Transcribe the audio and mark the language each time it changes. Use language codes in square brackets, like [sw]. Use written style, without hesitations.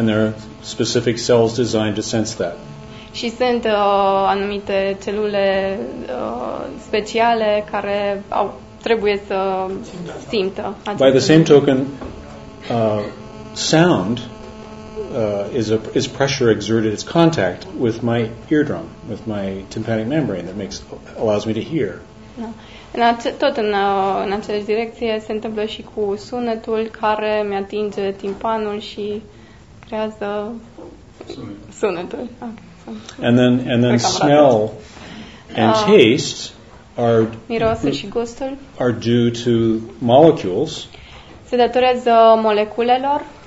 [en] And there are specific cells designed to sense that. [ro] Și sunt anumite celule speciale care au trebuie să simtă. [en] By the same token, sound is pressure exerted, it's contact with my eardrum, with my tympanic membrane that makes allows me to hear. No. [ro] Tot în aceeași direcție se întâmplă și cu sunetul care mi-atinge timpanul și creează sunetul. [en] And then smell and taste are [ro] mirosul și gustul [en] are due to molecules. [ro] Se datorează moleculelor.